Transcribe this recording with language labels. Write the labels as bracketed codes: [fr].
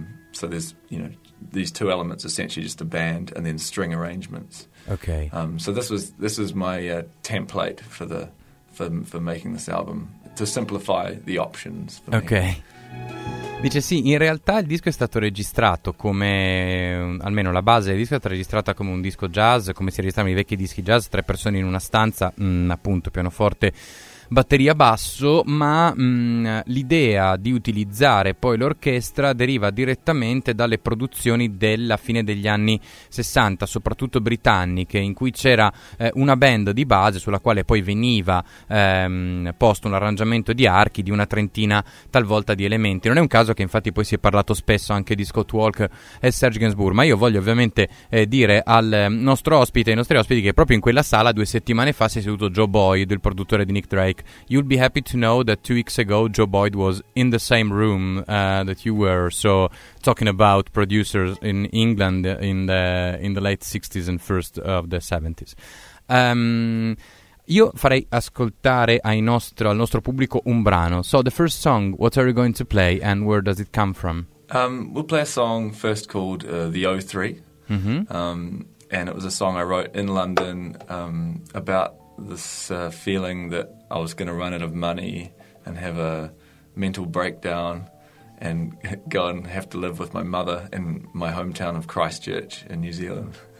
[en] So there's, you know, these two elements, essentially just a band and then string arrangements. Okay. So this was my template for making this album, to simplify the options for me. Okay. [it] Dice sì, in realtà il disco è stato registrato come, almeno la base del disco è stata registrata come un disco jazz, come si registravano i vecchi dischi jazz, tre persone in una stanza, appunto, pianoforte, batteria, basso, ma l'idea di utilizzare poi l'orchestra deriva direttamente dalle produzioni della fine degli anni 60, soprattutto britanniche, in cui c'era una band di base sulla quale poi veniva posto un arrangiamento di archi, di una trentina talvolta di elementi. Non è un caso che infatti poi si è parlato spesso anche di Scott Walker e Serge Gainsbourg, ma io voglio ovviamente dire al nostro ospite, ai nostri ospiti, che proprio in quella sala due settimane fa si è seduto Joe Boyd, il produttore di Nick Drake. [en] You'll be happy to know that 2 weeks ago Joe Boyd was in the same room that you were, so talking about producers in England in the late 60s and first of the 70s. [it] Io farei ascoltare al nostro pubblico un brano. [en] So the first song, what are you going to play and where does it come from? We'll play a song first called The O3. Mm-hmm. And it was a song I wrote in London about this feeling that I was going to run out of money and have a mental breakdown and go and have to live with my mother in my hometown of Christchurch in New Zealand.